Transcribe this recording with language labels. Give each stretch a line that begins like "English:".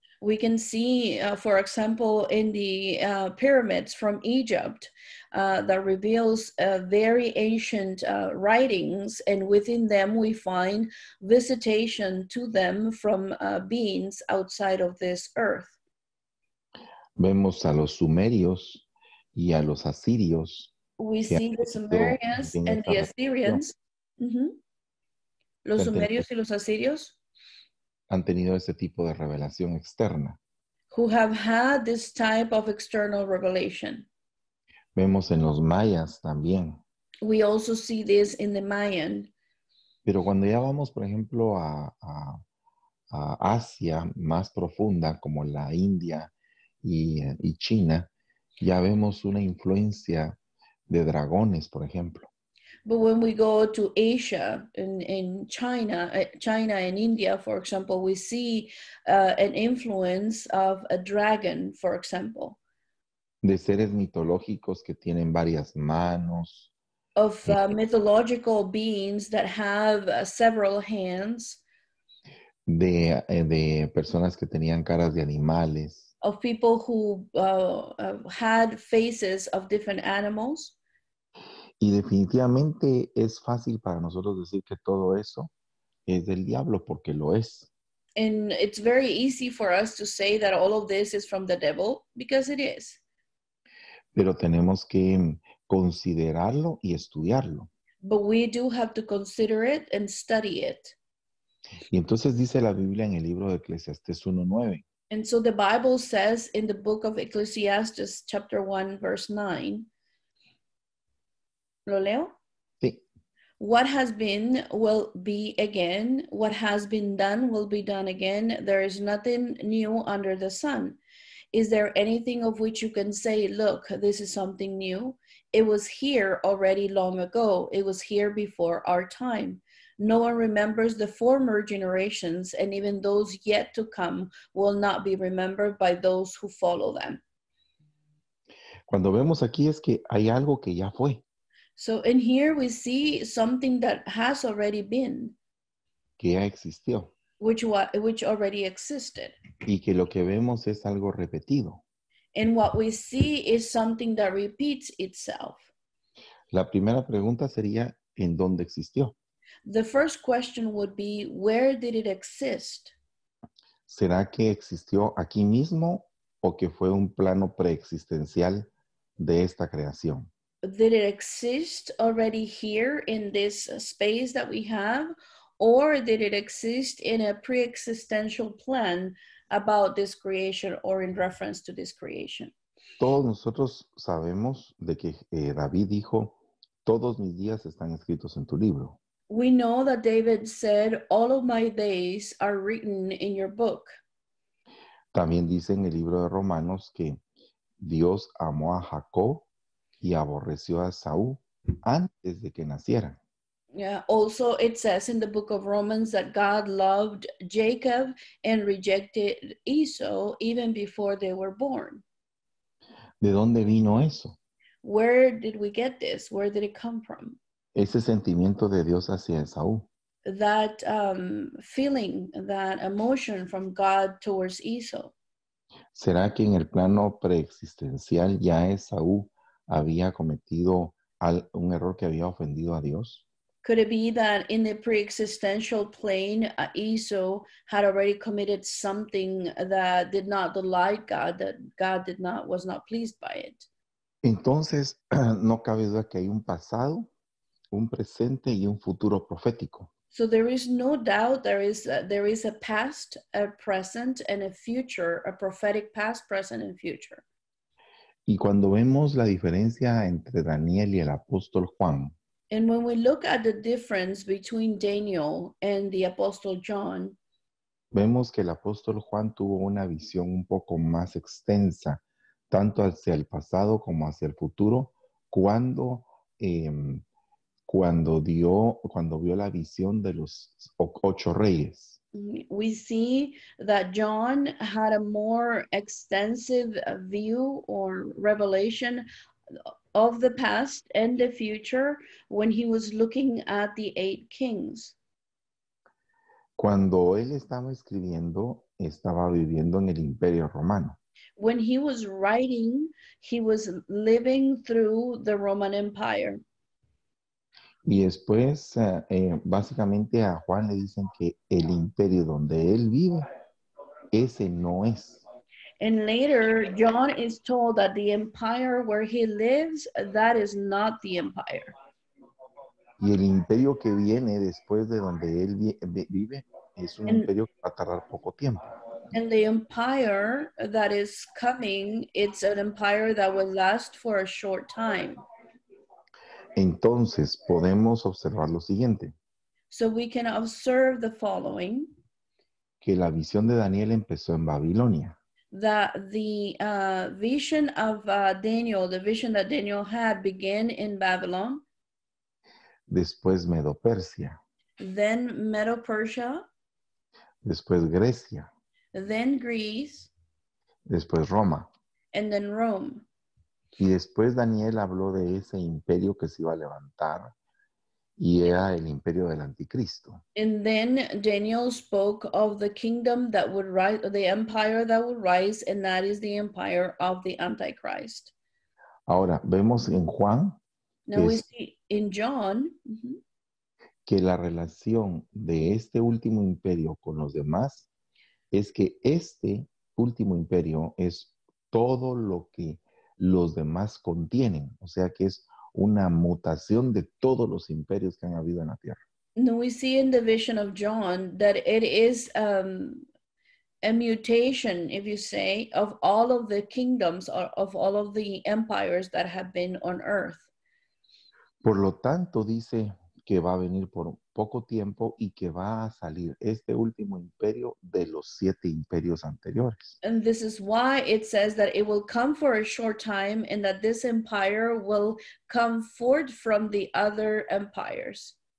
English: We can see, for example, in the pyramids from Egypt that reveals very ancient writings, and within them we find visitation to them from beings outside of this earth.
Spanish: Vemos a los sumerios y a los asirios.
English: We see the Sumerians and the Assyrians.
Spanish: Los sumerios y los asirios. Han tenido ese tipo de revelación externa.
English: Who have had this type of external revelation.
Spanish: Vemos en los mayas también.
English: We also see this in the Mayan.
Spanish: Pero cuando ya vamos, por ejemplo, a Asia más profunda, como la India y China, ya vemos una influencia de dragones, por ejemplo.
English: But when we go to Asia, in China and India, for example, we see an influence of a dragon, for example.
Spanish: De seres mitológicos que tienen varias manos.
English: Of mythological beings that have several hands.
Spanish: De personas que tenían caras de animales.
English: Of people who had faces of different animals.
Spanish: Y definitivamente es fácil para nosotros decir que todo eso es del diablo, porque lo es.
English: And it's very easy for us to say that all of this is from the devil, because it is.
Spanish: Pero tenemos que considerarlo y estudiarlo.
English: But we do have to consider it and study it.
Spanish: Y entonces dice la Biblia en el libro de Eclesiastés 1:9.
English: And so the Bible says in the book of Ecclesiastes, chapter 1, verse 9.
Spanish: ¿Lo leo? Sí.
English: What has been will be again. What has been done will be done again. There is nothing new under the sun. Is there anything of which you can say, look, this is something new? It was here already long ago. It was here before our time. No one remembers the former generations, and even those yet to come will not be remembered by those who follow them.
Spanish: Cuando vemos aquí es que hay algo que ya fue.
English: So in here we see something that has already been,
Spanish: que ya existió,
English: which already existed,
Spanish: y que lo que vemos es algo repetido.
English: And what we see is something that repeats itself.
Spanish: La primera pregunta sería, ¿en dónde existió?
English: The first question would be, where did it exist?
Spanish: ¿Será que existió aquí mismo o que fue un plano preexistencial de esta creación?
English: Did it exist already here in this space that we have, or did it exist in a pre-existential plan about this creation or in reference to this creation?
Spanish: Todos nosotros sabemos de que David dijo, todos mis días están escritos en tu libro.
English: We know that David said, all of my days are written in your book.
Spanish: También dice en el libro de Romanos que Dios amó a Jacob y aborreció a Saúl antes de que naciera.
English: Yeah, also it says in the book of Romans that God loved Jacob and rejected Esau even before they were born.
Spanish: ¿De dónde vino eso?
English: Where did we get this? Where did it come from?
Spanish: Ese sentimiento de Dios hacia Esau.
English: That feeling, that emotion from God towards Esau.
Spanish: ¿Será que en el plano preexistencial ya Esau había cometido un error que había ofendido a Dios?
English: Could it be that in the pre-existential plane, Esau had already committed something that did not delight God, that God did not, was not pleased by it?
Spanish: Entonces, no cabe duda que hay un pasado, un presente y un futuro profético.
English: So there is no doubt there is a past, a present, and a future, a prophetic past, present, and future.
Spanish: Y cuando vemos la diferencia entre Daniel y el apóstol Juan.
English: And when we look at the difference between Daniel and the apostle John.
Spanish: Vemos que el apóstol Juan tuvo una visión un poco más extensa, tanto hacia el pasado como hacia el futuro, cuando vio la visión de los ocho reyes.
English: We see that John had a more extensive view or revelation of the past and the future when he was looking at the eight kings.
Spanish: Cuando él estaba escribiendo, estaba viviendo en el Imperio Romano.
English: When he was writing, he was living through the Roman Empire.
Spanish: Y después, básicamente a Juan le dicen que el imperio donde él vive, ese no es.
English: And later, John is told that the empire where he lives, that is not the empire.
Spanish: Y el imperio que viene después de donde él vive, es un imperio que va a tardar poco tiempo.
English: And the empire that is coming, it's an empire that will last for a short time.
Spanish: Entonces, podemos observar lo siguiente.
English: So we can observe the following.
Spanish: Que la visión de Daniel empezó en Babilonia.
English: That the vision of Daniel, the vision that Daniel had, began in Babylon.
Spanish: Después Medo-Persia.
English: Then Medo-Persia.
Spanish: Después Grecia.
English: Then Greece.
Spanish: Después Roma.
English: And then Rome.
Spanish: Y después Daniel habló de ese imperio que se iba a levantar y era el imperio del anticristo.
English: And then Daniel spoke of the kingdom that would rise, the empire that would rise, and that is the empire of the Antichrist.
Spanish: Ahora, vemos en Juan.
English: Now we see in John.
Spanish: Que la relación de este último imperio con los demás es que este último imperio es todo lo que los demás contienen. O sea que es una mutación de todos los imperios que han habido en la tierra.
English: Now we see in the vision of John that it is a mutation, if you say, of all of the kingdoms or of all of the empires that have been on earth.
Spanish: Por lo tanto, dice que va a venir por poco tiempo y que va a salir este último imperio de los siete imperios anteriores.
English: And this is why it says that it will come for a short time and that this empire will come forth from the other empires.